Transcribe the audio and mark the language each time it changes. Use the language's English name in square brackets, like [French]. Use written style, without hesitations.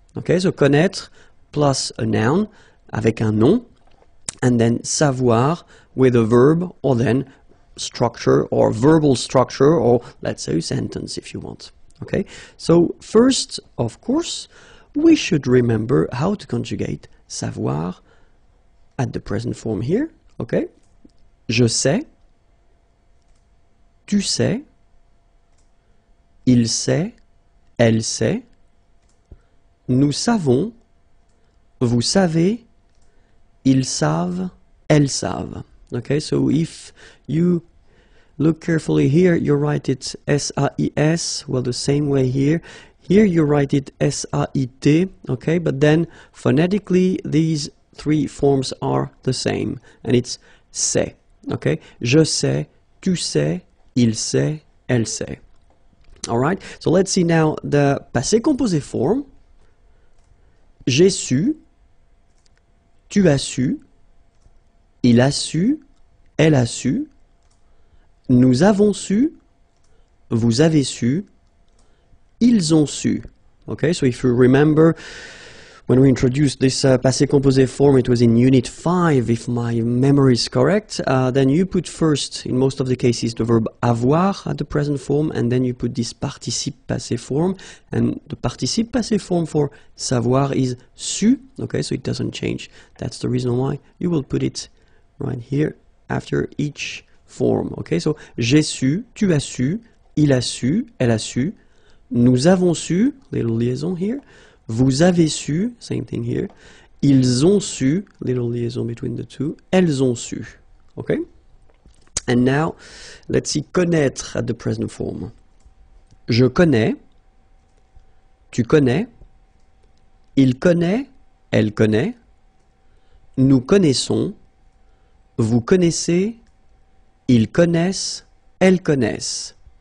[English] Okay, so connaître plus a noun avec un nom, and then savoir with a verb, or then structure or verbal structure, or let's say a sentence if you want. Okay, so first, of course, we should remember how to conjugate savoir at the present form here. [French] Okay, je sais, tu sais, il sait, elle sait. Nous savons, vous savez, ils savent, elles savent. [English] Okay, so if you look carefully here, you write it S-A-I-S, well, the same way here. Here you write it S-A-I-T, okay, but then phonetically these three forms are the same, and it's sait, okay? [French] Je sais, tu sais, il sait, elle sait. [English] All right, so let's see now the passé composé form. [French] J'ai su, tu as su, il a su, elle a su, nous avons su, vous avez su, ils ont su. [English] Okay, so if you remember when we introduced this passé composé form, it was in unit 5, if my memory is correct, then you put first, in most of the cases, the verb avoir at the present form, and then you put this participe passé form, and the participe passé form for savoir is su, okay, so it doesn't change. That's the reason why you will put it right here after each form, okay, so [French] j'ai su, tu as su, il a su, elle a su, nous avons su, [English] little liaison here, vous avez su, same thing here, ils ont su, little liaison between the two, elles ont su, okay? And now, let's see connaître at the present form. [French] Je connais, tu connais, il connaît, elle connaît, nous connaissons, vous connaissez, ils connaissent, elles connaissent.